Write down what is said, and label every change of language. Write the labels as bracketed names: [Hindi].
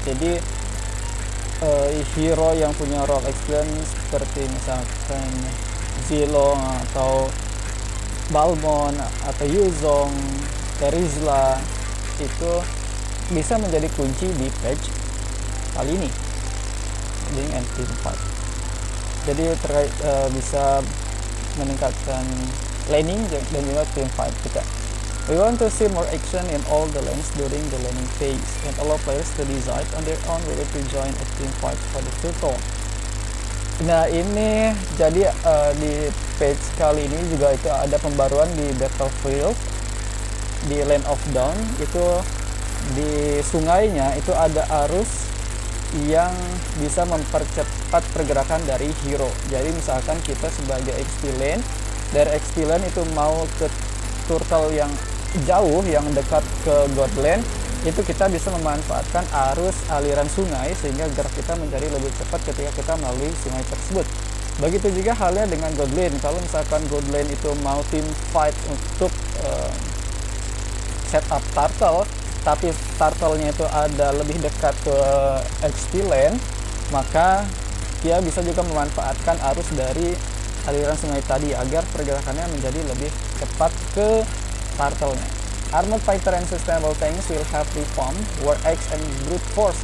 [Indonesian] Jadi hero yang punya role XP lane seperti misalkan Zilong atau Balmon atau Yuzhong, Terizla itu bisa menjadi kunci di patch kali ini. Jadi NP4. Jadi terkait bisa meningkatkan laning dan juga team fight kita. [English] We want to see more action in all the lanes during the laning phase and allow players to decide on their own whether to join a team fight for the title. [Indonesian] Nah ini jadi di page kali ini juga itu ada pembaruan di battlefield di Land of Dawn itu di sungainya itu ada arus yang bisa mempercepat pergerakan dari hero. Jadi misalkan kita sebagai XP lane, dari XP lane itu mau ke turtle yang jauh, yang dekat ke god lane, itu kita bisa memanfaatkan arus aliran sungai sehingga gerak kita menjadi lebih cepat ketika kita melalui sungai tersebut. Begitu juga halnya dengan god lane. Kalau misalkan god lane itu mau team fight untuk set up turtle, tapi turtle-nya itu ada lebih dekat ke XP lane, maka dia bisa juga memanfaatkan arus dari aliran sungai tadi agar pergerakannya menjadi lebih cepat ke turtle-nya. [English] Armored fighter and sustainable tanks will have reform, war axe and brute force.